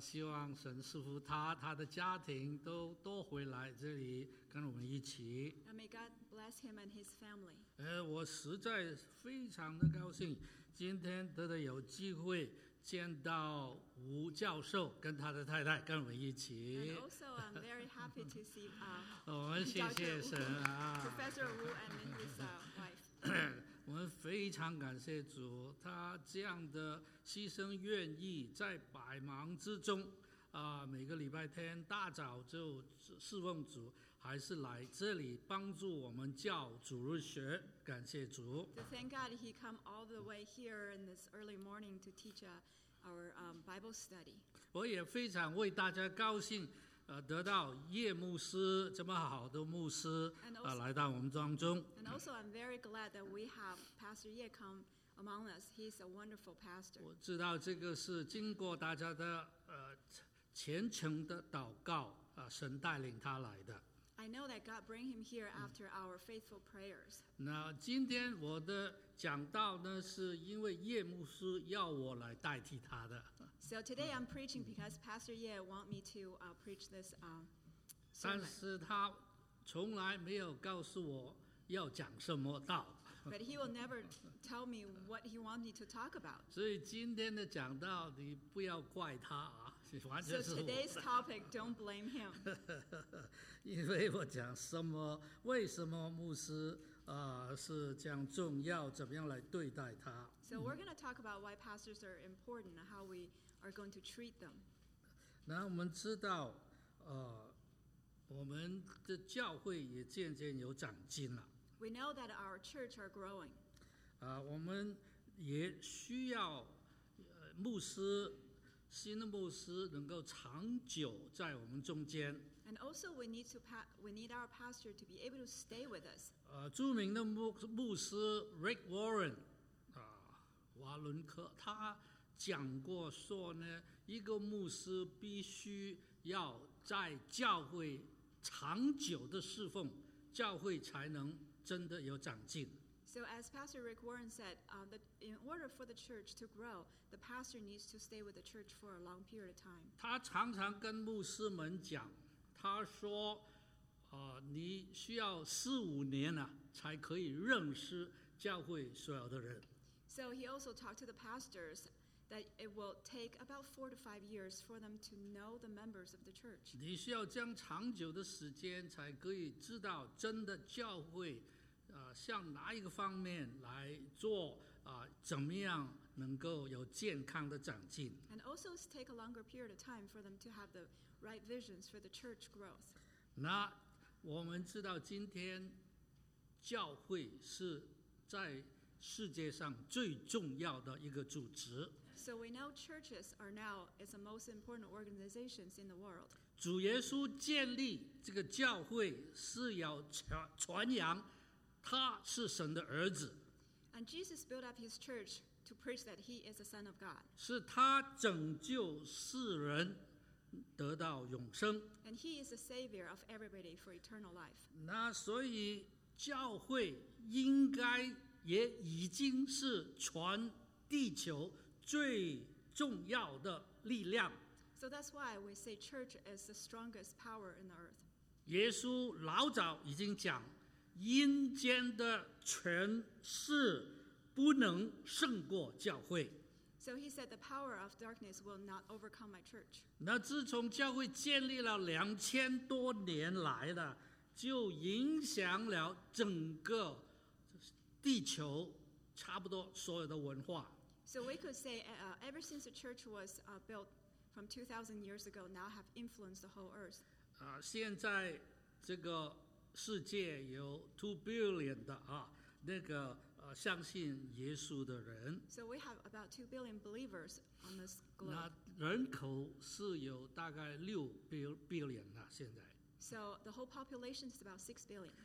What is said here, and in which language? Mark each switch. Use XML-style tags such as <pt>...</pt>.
<zh>希望神祝福他，他的家庭都多回来这里跟我们一起。</zh> <en>And may God bless him and his family.</en> <zh>我实在非常的高兴，今天得到有机会见到吴教授跟他的太太跟我们一起。</zh> <en>And also, I'm very happy to see Professor Wu.</en> <zh>我们谢谢神啊。</zh> <en>Professor Wu and his wife.</en> <zh>我们非常感谢主，他这样的牺牲愿意，在百忙之中，每个礼拜天大早就侍奉主，还是来这里帮助我们教主日学，感谢主。</zh> <en>So thank God he come all the way here in this early morning to teach our Bible study.</en> <zh>我也非常为大家高兴。得到叶牧师这么好的牧师</zh> <en>also,</en> <zh>来到我们当中。</zh> <en>And also, I'm very glad that we have Pastor Ye come among us. He's a wonderful pastor.</en> <zh>我知道这个是经过大家的虔诚的祷告神带领他来的。</zh> <en>I know that God bring him here after our faithful prayers.</en> <zh>那今天我的讲道呢，是因为叶牧师要我来代替他的。</zh> <en>So today I'm preaching because Pastor Ye want me to preach this sermon.</en> <zh>但是他从来没有告诉我要讲什么道。</zh> <en>But he will never tell me what he wants me to talk about.</en> <zh>所以今天的讲道，你不要怪他啊。</zh> <en>So today's topic, don't blame him.</en> <zh>因为我讲什么，为什么牧师是这样重要，怎么样来对待他。</zh> <en>So we're going to talk about why pastors are important and how we are going to treat them.</en> <zh>那我们知道我们的教会也渐渐有长进了。</zh> <en>We know that our church are growing.</en> <zh>我们也需要牧师新的牧师能够长久在我们中间。</zh> <en>And also we need our pastor to be able to stay with us.</en> <zh>著名的牧师 Rick Warren, 瓦伦克，他讲过说呢，一个牧师必须要在教会长久的侍奉，教会才能真的有长进。</zh> <en>So as Pastor Rick Warren said, in order for the church to grow, the pastor needs to stay with the church for a long period of time.</en> <zh>他常常跟牧师们讲，他说，你需要四五年啊，才可以认识教会所有的人。</zh> <en>So he also talked to the pastors that it will take about 4 to 5 years for them to know the members of the church.</en> <zh>你需要这样长久的时间，才可以知道真的教会向哪一个方面来做怎么样能够有健康的长进。</zh> <en>And also take a longer period of time for them to have the right visions for the church growth.</en> <zh>那我们知道今天教会是在世界上最重要的一个组织。</zh> <en>So we know churches are now is the most important organizations in the world.</en> <zh>主耶稣建立这个教会是要传扬他是神的儿子。</zh> <en>And Jesus built up his church to preach that he is the son of God.</en> <zh>是他拯救世人得到永生。</zh> <en>And he is the savior of everybody for eternal life.</en> <zh>那所以教会应该也已经是传地球最重要的力量。</zh> <en>So that's why we say church is the strongest power in the earth.</en> <zh>耶稣老早已经讲阴间的权势不能胜过教会。</zh> <en>So he said the power of darkness will not overcome my church.</en> <zh>那自从教会建立了2000多年来了，就影响了整个地球差不多所有的文化。</zh> <en>So we could say ever since the church was built from 2000 years ago, now have influenced the whole earth.</en> <zh>现在这个世界有</zh> <en>2 billion</en> <zh>的相信耶稣的人。</zh> <en>So we have about 2 billion believers on this globe.</en> <zh>那人口是有大概</zh> <en>6 billion</en> <zh>啊，现在。</zh> <en>So the whole population is about 6 billion.</en>